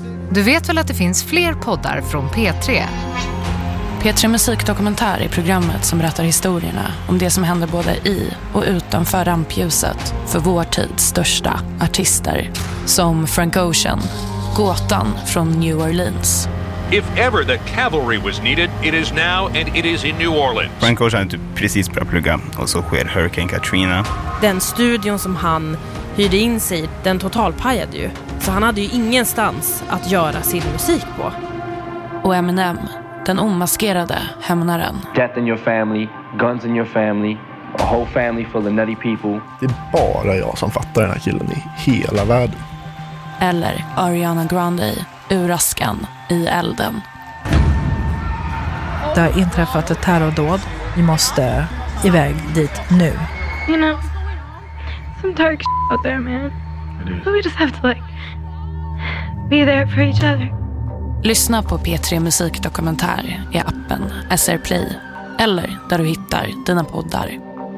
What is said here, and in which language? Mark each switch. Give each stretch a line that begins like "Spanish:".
Swedish: Du vet väl att det finns fler poddar från P3? P3 Musikdokumentär är programmet som berättar historierna om det som händer både i och utanför rampljuset för vår tids största artister. Som Frank Ocean, gåtan från New Orleans.
English: If ever the cavalry was needed, it is now and it is in New Orleans.
Swedish: Frank Ocean är precis på plugga och så sker Hurricane Katrina. Den studion som han hyrde in sig, den totalpajade ju. Så han hade ju ingenstans att göra sin musik på. Och Eminem, den omaskerade hämnaren.
English: Death in your family, guns in your family, a whole family full of nutty people.
Swedish: Det är bara jag som fattar den här killen i hela världen. Eller Ariana Grande, uraskan i elden. Det har inträffat ett terrordåd. Vi måste iväg dit nu.
English: You know, some dark shit out there, man. But we just have to like be there for each other.
Swedish: Lyssna på P3 Musikdokumentär i appen SR Play eller där du hittar dina poddar.